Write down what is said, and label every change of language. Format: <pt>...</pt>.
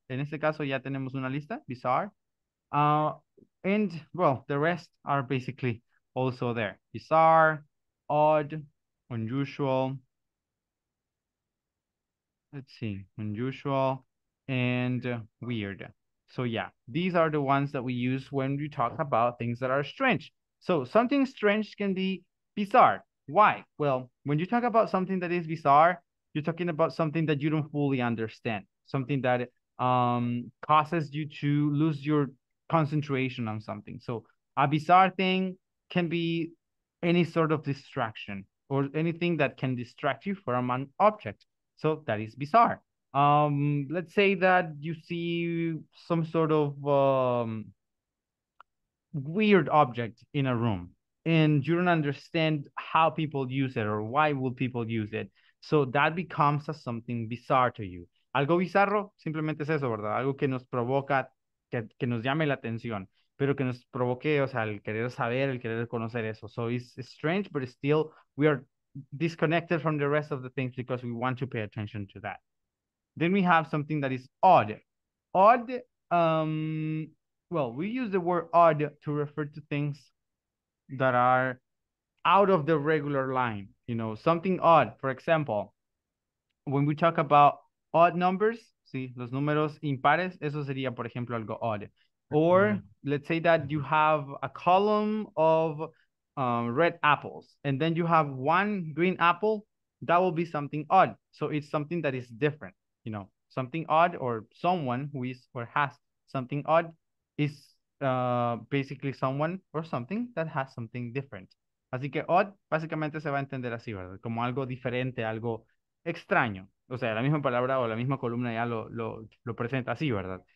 <es>En este caso, ya tenemos una lista, bizarre.</es> <en>And well, the rest are basically also there. Bizarre, odd, unusual. Let's see, unusual and weird. So yeah, these are the ones that we use when we talk about things that are strange. So something strange can be bizarre. Why? Well, when you talk about something that is bizarre, you're talking about something that you don't fully understand, something that causes you to lose your concentration on something. So a bizarre thing can be any sort of distraction or anything that can distract you from an object. So that is bizarre. Let's say that you see some sort of weird object in a room and you don't understand how people use it or why would people use it. So that becomes a something bizarre to you.</en> <es>Algo bizarro simplemente es eso, ¿verdad? Algo que nos provoca, que nos llame la atención, pero que nos provoque, o sea, el querer saber, el querer conocer eso.</es> <en>So it's strange, but still we are disconnected from the rest of the things because we want to pay attention to that. Then we have something that is odd. Odd, well, we use the word odd to refer to things that are out of the regular line, you know, something odd. For example, when we talk about odd numbers,</en> <es>sí, los números impares, eso sería, por ejemplo, algo</es> <en>odd. Or let's say that you have a column of red apples, and then you have one green apple. That will be something odd. So it's something that is different, you know, something odd or someone who is or has something odd is basically someone or something that has something different.</en> <es>Así que odd básicamente se va a entender así, ¿verdad? Como algo diferente, algo extraño. O sea, la misma palabra o la misma columna ya lo presenta así, ¿verdad?</es>